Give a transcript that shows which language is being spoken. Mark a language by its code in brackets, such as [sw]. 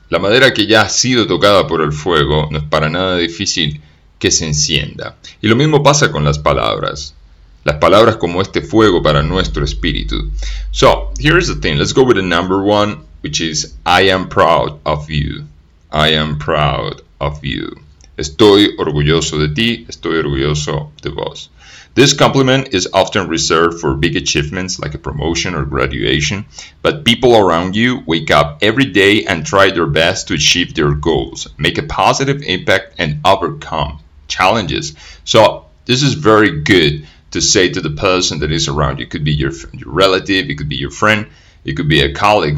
[es] La madera que ya ha sido tocada por el fuego no es para nada difícil que se encienda. Y lo mismo pasa con las palabras. Las palabras como este fuego para nuestro espíritu. [en] So, here's the thing. Let's go with the number one, which is, I am proud of you. I am proud of you. [es] Estoy orgulloso de ti, estoy orgulloso de vos. [en] This compliment is often reserved for big achievements like a promotion or graduation, but people around you wake up every day and try their best to achieve their goals, make a positive impact and overcome challenges. So this is very good to say to the person that is around you. It could be your relative, it could be your friend, it could be a colleague.